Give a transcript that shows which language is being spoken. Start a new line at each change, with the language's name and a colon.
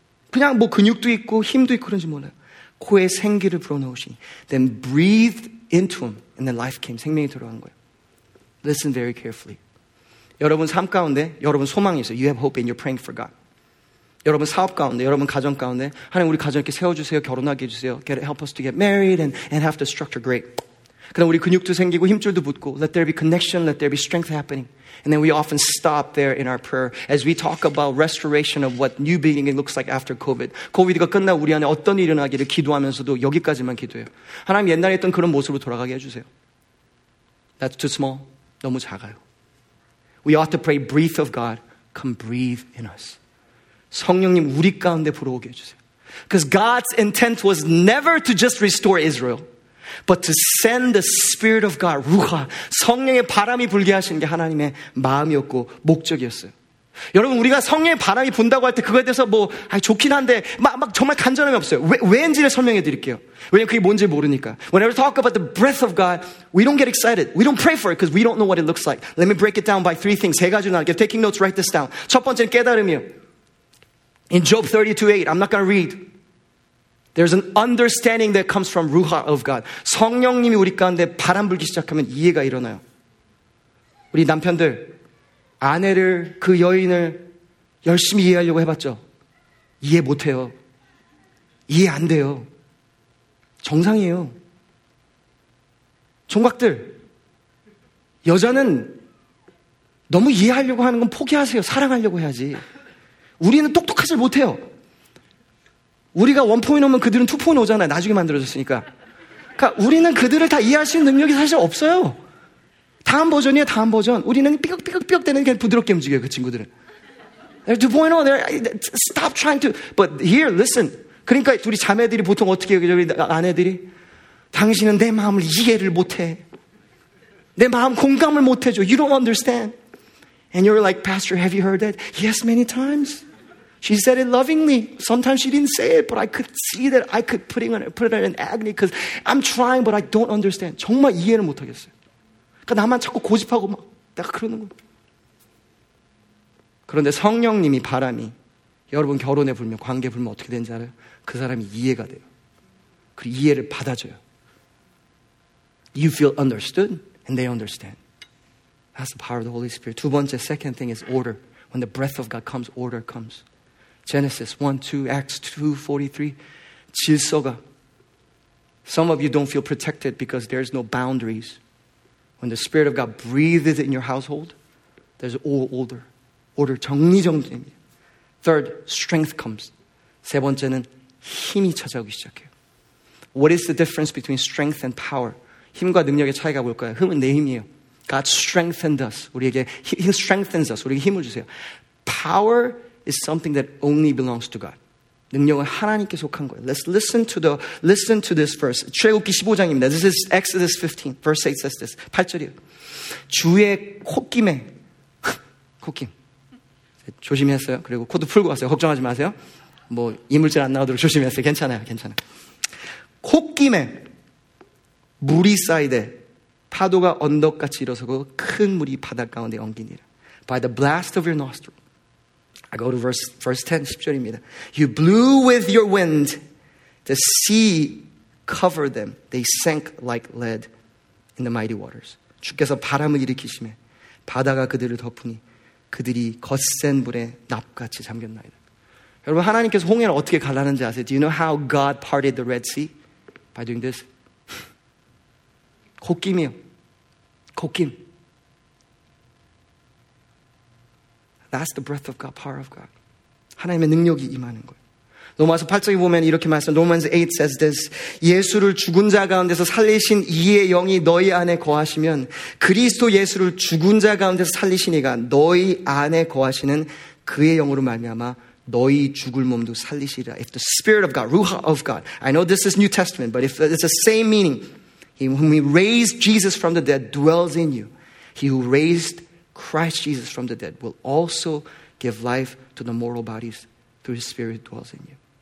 Korean: 그냥 뭐 근육도 있고 힘도 있고 그런지 몰라요. 코에 생기를 불어넣으시니
English: then breathed into him and then life came.
Korean: 생명이 들어간 거예요.
English: Listen very carefully.
Korean: 여러분 삶 가운데 여러분 소망이 있어요.
English: You have hope and you're praying for God.
Korean: 여러분 사업 가운데 여러분 가정 가운데 하나님 우리 가정 이렇게 세워주세요. 결혼하게 해주세요.
English: Help us to get married and have the structure. Great.
Korean: 그럼 우리 근육도 생기고 힘줄도 붙고
English: Let there be connection. Let there be strength happening. And then we often stop there in our prayer as we talk about restoration of what new beginning looks like after COVID.
Korean: COVID가 끝나 우리 안에 어떤 일이 일어나기를 기도하면서도 여기까지만 기도해요. 하나님 옛날에 했던 그런 모습으로 돌아가게 해주세요.
English: That's too small.
Korean: 너무 작아요.
English: We ought to pray, breathe of God, come breathe in us.
Korean: 성령님 우리 가운데 불어오게 해주세요.
English: Because God's intent was never to just restore Israel, but to send the Spirit of God, 루하,
Korean: 성령의 바람이 불게 하시는 게 하나님의 마음이었고 목적이었어요. 여러분 우리가 성령의 바람이 분다고 할 때 그거에 대해서 뭐 아니, 좋긴 한데 막 정말 간절함이 없어요. 왜인지를 설명해 드릴게요. 왜냐하면 그게 뭔지 모르니까.
English: Whenever we talk about the breath of God, we don't get excited. We don't pray for it because we don't know what it looks like. Let me break it down by three things.
Korean: 세 가지로 나눌게요.
English: Taking notes, write this down.
Korean: 첫 번째는 깨달음이요.
English: In Job 32:8, I'm not going to read. There's an understanding that comes from Ruha of God.
Korean: 성령님이 우리 가운데 바람 불기 시작하면 이해가 일어나요. 우리 남편들. 아내를, 그 여인을 열심히 이해하려고 해봤죠? 이해 못해요. 이해 안 돼요. 정상이에요. 총각들, 여자는 너무 이해하려고 하는 건 포기하세요. 사랑하려고 해야지. 우리는 똑똑하지 못해요. 우리가 1.0 오면 그들은 2.0 오잖아요. 나중에 만들어졌으니까. 그러니까 우리는 그들을 다 이해할 수 있는 능력이 사실 없어요. 다음 버전이에요, 다음 버전. 우리는 삐걱삐걱삐걱 되는 그냥 부드럽게 움직여요, 그 친구들은.
English: They're 2.0, they're, stop trying to. But here, listen.
Korean: 그러니까 우리 자매들이 보통 어떻게 얘기해요, 우리 아내들이? 당신은 내 마음을 이해를 못해. 내 마음 공감을 못해줘.
English: You don't understand. And you're like, Pastor, have you heard that? Yes, many times. She said it lovingly. Sometimes she didn't say it, but I could see that I could put it in agony because I'm trying, but I don't understand.
Korean: 정말 이해를 못하겠어요. 그러니까 나만 자꾸 고집하고 막 내가 그러는 거예요. 그런데 성령님이 바람이 여러분 결혼에 불면 관계 불면 어떻게 되는지 알아요? 그 사람이 이해가 돼요. 그 이해를 받아줘요.
English: You feel understood and they understand. That's the power of the Holy Spirit.
Korean: 두 번째,
English: second thing is order. When the breath of God comes, order comes. Genesis 1, 2, Acts 2, 43.
Korean: 질서가.
English: Some of you don't feel protected because there's no boundaries. When the Spirit of God breathes in your household, there's all order. Order,
Korean: 정리정돈입니다.
English: Third, strength comes.
Korean: 세 번째는 힘이 찾아오기 시작해요.
English: What is the difference between strength and power?
Korean: 힘과 능력의 차이가 뭘까요? 힘은 내 힘이에요.
English: God strengthened us.
Korean: 우리에게,
English: He strengthens us.
Korean: 우리에게 힘을 주세요.
English: Power is something that only belongs to God.
Korean: 능력은 하나님께 속한 거예요.
English: Let's listen to this verse.
Korean: 출애굽기 15장입니다.
English: This is Exodus 15. Verse 8 says this.
Korean: 8절이요. 주의 코김에. 코김. 조심히 했어요. 그리고 코도 풀고 왔어요. 걱정하지 마세요. 뭐 이물질 안 나오도록 조심히 했어요. 괜찮아요. 괜찮아요. 코김에 물이 쌓이되 파도가 언덕같이 일어서고 큰 물이 바닷가운데 엉기니라.
English: By the blast of your nostril. I go to verse 10,
Korean: 10절입니다.
English: You blew with your wind, the sea covered them. They sank like lead in the mighty waters.
Korean: 주께서 바람을 일으키시매 바다가 그들을 덮으니 그들이 거센 물에 납같이 잠겼나이다. 여러분 하나님께서 홍해를 어떻게 갈라는지 아세요?
English: Do you know how God parted the Red Sea? By doing this.
Korean: 코김이요. 코김.
English: That's the breath of God, power of God.
Korean: 하나님의 능력이 임하는 거예요. 로마서 8장에 보면 이렇게 말씀해요.
English: Romans 8 says this.
Korean: 예수를 죽은 자 가운데서 살리신 이의 영이 너희 안에 거하시면 그리스도 예수를 죽은 자 가운데서 살리신 이가 너희 안에 거하시는 그의 영으로 말미암아 너희 죽을 몸도 살리시리라.
English: If the spirit of God, Ruha of God. I know this is New Testament, but if it's the same meaning. He whom raised Jesus from the dead dwells in you. He who raised Christ Jesus from the dead will also give life to the mortal bodies through his spirit dwells in you.